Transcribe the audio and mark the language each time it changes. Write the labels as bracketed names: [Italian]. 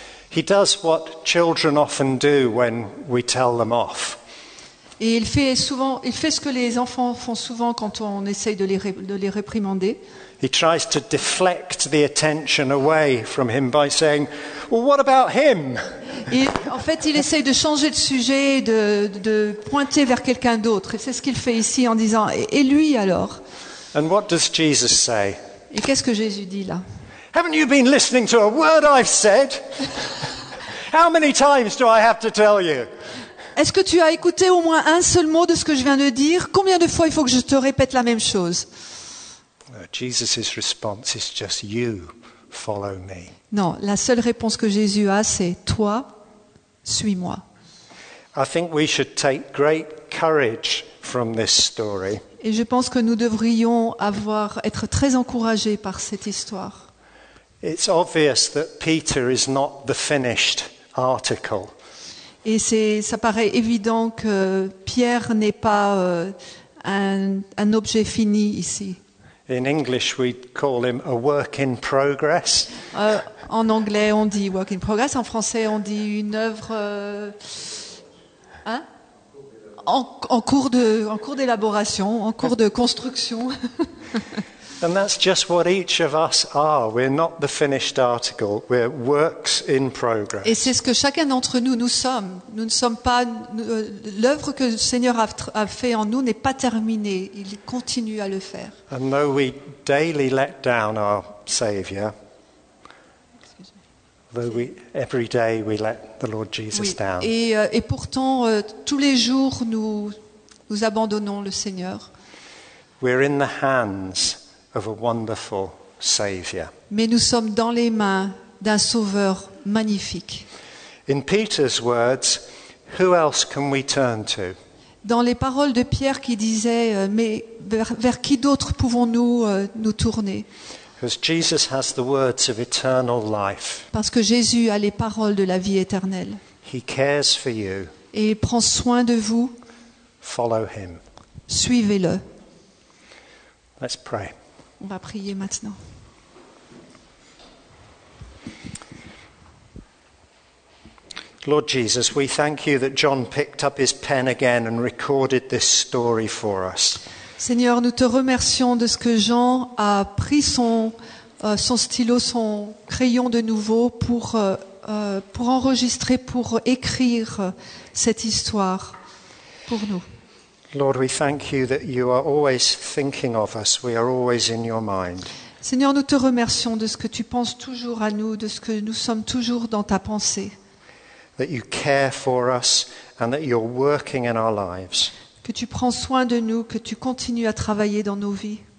[English] He does what children often do when we tell them off. [French] Et il fait ce que les enfants font souvent quand on essaye de les réprimander. [English] He tries to deflect the attention away from him by saying, "Well, what about him?" [French] Et en fait, il essaye de changer de sujet, de pointer vers quelqu'un d'autre. Et c'est ce qu'il fait ici en disant, et lui alors? [English] And what does Jesus say? [French] Et qu'est-ce que Jésus dit là? [English] Haven't you been listening to a word I've said? How many times do I have to tell you? [French] Est-ce que tu as écouté au moins un seul mot de ce que je viens de dire? Combien de fois il faut que je te répète la même chose? [English] Jesus's response is just you follow me. [French] Non, la seule réponse que Jésus a, c'est toi, suis-moi. [English] I think we should take great courage from this story. [French] Et je pense que nous devrions être très encouragés par cette histoire. [English] It's obvious that Peter is not the finished article. [French] Et ça paraît évident que Pierre n'est pas un objet fini ici. [English] In English, we call him a work in progress. [French] En anglais, on dit [English] work in progress. [French] En français, on dit une œuvre en cours d'élaboration, en cours de construction. [English] And that's just what each of us are. We're not the finished article. We're works in progress. [French] Et c'est ce que chacun d'entre nous nous sommes. Nous ne sommes pas l'œuvre que le Seigneur a fait en nous n'est pas terminée. Il continue à le faire. [English] And though we daily let down our Savior, though we every day we let the Lord Jesus down. [French] Et pourtant tous les jours nous abandonnons le Seigneur. [English] We're in the hands of a wonderful savior. [French] Mais nous sommes dans les mains d'un sauveur magnifique. [English] In Peter's words, who else can we turn to? [French] Dans les paroles de Pierre qui disait mais vers qui d'autre pouvons-nous nous tourner? [English] Because Jesus has the words of eternal life. [French] Parce que Jésus a les paroles de la vie éternelle. [English] He cares for you. [French] Et il prend soin de vous. [English] Follow him. [French] Suivez-le. [English] Let's pray. [French] On va prier maintenant. [English] Lord Jesus, we thank you that John picked up his pen again and recorded this story for us. [French] Seigneur, nous te remercions de ce que Jean a pris son stylo, son crayon de nouveau pour enregistrer, pour écrire cette histoire pour nous. [English] Lord, we thank you that you are always thinking of us. We are always in your mind. [French] Seigneur, nous te remercions de ce que tu penses toujours à nous, de ce que nous sommes toujours dans ta pensée. [English] That you care for us and that you're working in our lives. [French] Que tu prends soin de nous, que tu continues à travailler dans nos vies.